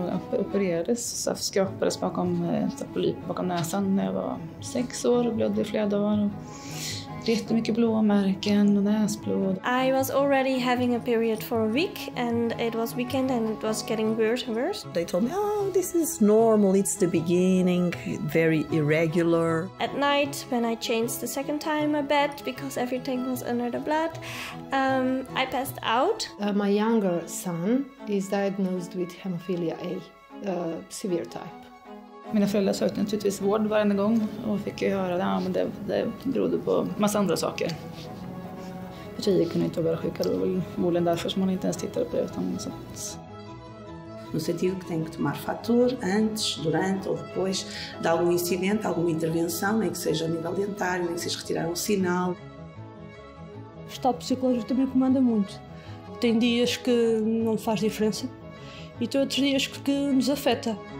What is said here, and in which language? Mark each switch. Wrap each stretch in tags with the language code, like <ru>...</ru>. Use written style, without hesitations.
<sv>Jag opererades, så skrapades bakom polyp bakom näsan när jag var 6 år och blödde flera dagar. Jättemycket blåa märken och näsblod.</sv> <en>I was already having a period for a week and it was weekend and it was getting worse and worse. They told me, oh, this is normal, it's the beginning, very irregular. At night, when I changed the second time my bed because everything was under the blood, I passed out. My younger son is diagnosed with hemophilia A, severe type.</en> <sv>Mina föräldrar sökte naturligtvis vård varje gång och fick ju höra att det berodde på massa andra saker. För tjejer kunde inte vara sjuka, det var förmodligen därför som hon inte ens tittade på det utan sånt.</sv> <pt>No sentido que tenho que tomar fator antes, durante ou depois de algum incidente, alguma intervenção, nem que seja a nível dentário, nem que seja retirar um sinal. O estado psicológico também comanda muito. Tem dias que não faz diferença e tem outros dias que nos afeta.</pt>